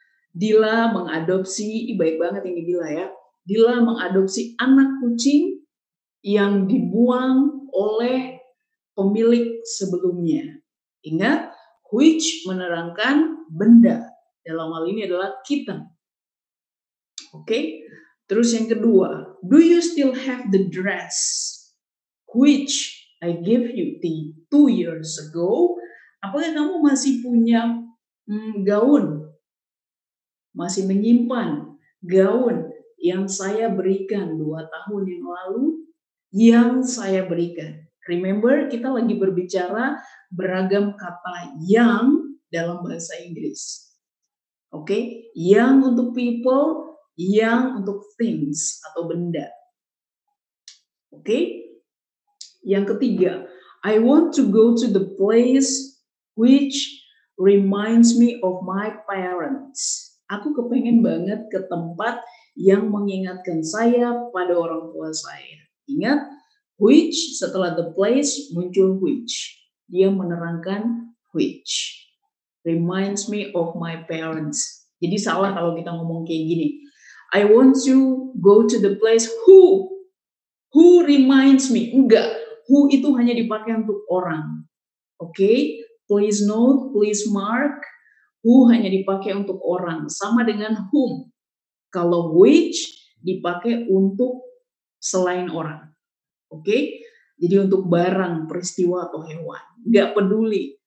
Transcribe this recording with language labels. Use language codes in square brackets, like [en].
[id] Dila mengadopsi, baik banget ini Dila ya. Dila mengadopsi anak kucing yang dibuang oleh pemilik sebelumnya. Ingat, which menerangkan benda. Dalam hal ini adalah kitten. Oke. Terus yang kedua, [en] do you still have the dress which I gave you 2 years ago? [id] Apakah kamu masih punya gaun? Masih menyimpan gaun yang saya berikan 2 tahun yang lalu? Yang saya berikan. [en] Remember, [id] kita lagi berbicara beragam kata yang dalam bahasa Inggris. Oke, okay? Yang untuk people, yang untuk things atau benda. Oke, okay? Yang ketiga, [en] I want to go to the place which reminds me of my parents. [id] Aku kepengen banget ke tempat yang mengingatkan saya pada orang tua saya. Ingat? Which, setelah the place, muncul which. Dia menerangkan [en] which. Reminds me of my parents. [id] Jadi salah kalau kita ngomong kayak gini. [en] I want to go to the place who. Who reminds me? [id] Enggak. Who itu hanya dipakai untuk orang. [en] Okay? Please note, please mark. Who [id] hanya dipakai untuk orang. Sama dengan whom. Kalau which dipakai untuk selain orang. Oke, okay? Jadi untuk barang, peristiwa, atau hewan. Nggak peduli